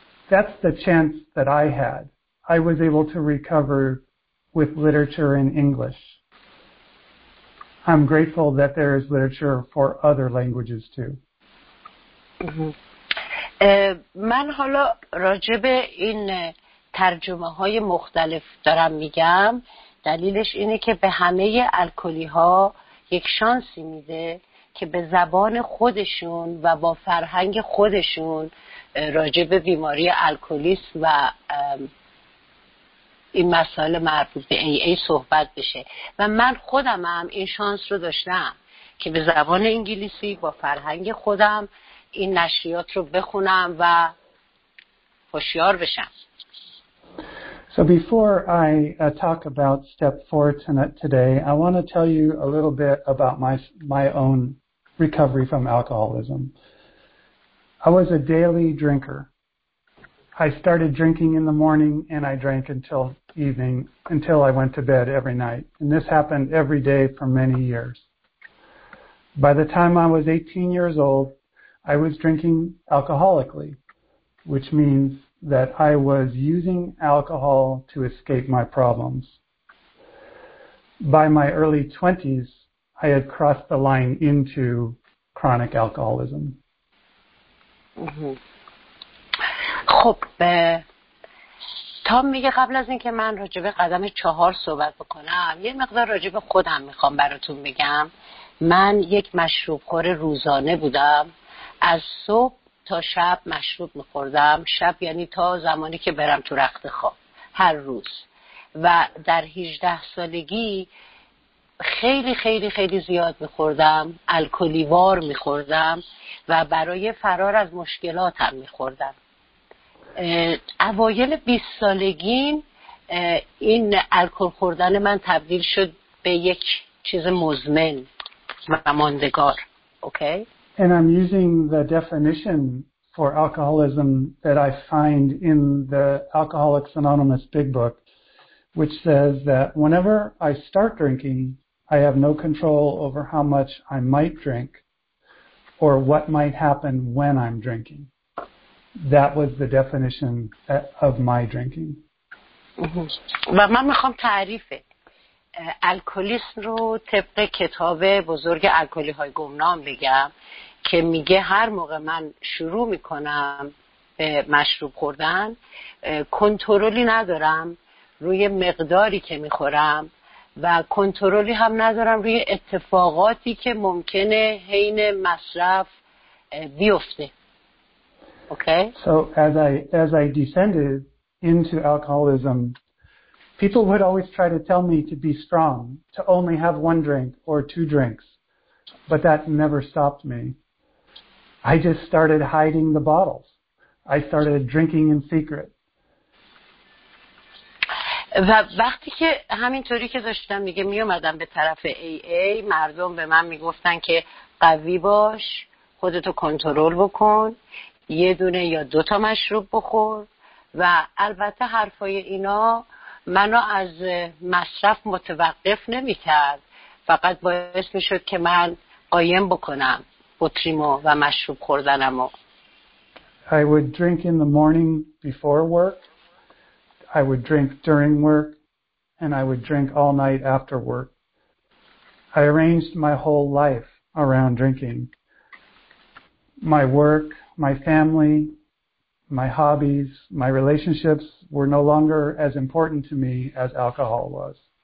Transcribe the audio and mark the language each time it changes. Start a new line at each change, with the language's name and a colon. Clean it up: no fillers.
English: That's the chance that I had. I was able to recover with literature in English. I'm grateful that there is literature for other languages too.
Persian: من حالا راجع به این ترجمه های مختلف دارم میگم، دلیلش اینه که به همه الکلی ها یک شانسی میده که به زبان خودشون و با فرهنگ خودشون راجع به بیماری الکلیسم و این مسائل مربوط به ای ای صحبت بشه. و من خودم هم این شانس رو داشتم که به زبان انگلیسی با فرهنگ خودم این نشریات رو بخونم و هوشیار بشم.
English: So before I talk about step 4 today, I want to tell you a little bit about my own recovery from alcoholism. I was a daily drinker. I started drinking in the morning and I drank until evening, until I went to bed every night. And this happened every day for many years. By the time I was 18 years old, I was drinking alcoholically, which means that I was using alcohol to escape my problems. By my early 20s, I had crossed the line into chronic alcoholism.
Persian: خب تام میگه قبل از اینکه من راجع به قدم 4 صحبت بکنم یه مقدار راجع به خودم میخوام براتون بگم. من یک مشروب خور روزانه بودم. از صبح تا شب مشروب میخوردم، شب یعنی تا زمانی که برم تو رخت خواب هر روز. و در 18 سالگی خیلی خیلی خیلی زیاد میخوردم، الکلیوار میخوردم و برای فرار از مشکلاتم میخوردم. اوایل 20 سالگیم این الکل خوردن من تبدیل شد به یک چیز مزمن و ماندگار.
English: Okay? And I'm using the definition for alcoholism that I find in the Alcoholics Anonymous Big Book, which says that whenever I start drinking, I have no control over how much I might drink or what might happen when I'm drinking. That was the definition of my drinking. Mm-hmm.
Persian: من میخوام تعریف الکلیسم رو طبق کتاب بزرگ الکلی های گمنام بگم که میگه هر موقع من شروع میکنم به مشروب خوردن کنترلی ندارم روی مقداری که میخورم و کنترلی هم ندارم روی اتفاقاتی که ممکنه حین مصرف بیفته.
English: Okay. So as I descended into alcoholism, people would always try to tell me to be strong, to only have one drink or two drinks, but that never stopped me. I just started hiding the bottles. I started drinking in secret.
Persian: و وقتی که همینطوری که داشتم میگه میومدم به طرف AA، مردم به من میگفتن که قوی باش، خودتو کنترل بکن، یه دونه یا دو تا مشروب بخور. و البته حرفای اینا منو از مصرف متوقف نمی‌کرد، فقط باعث می‌شد که من قایم بکنم بطریمو و مشروب خوردنمو.
English: I would drink in the morning before work. I would drink during work and I would drink all night after work. I arranged my whole life around drinking. My work, my family, my hobbies, my relationships were no longer as important to me as alcohol was.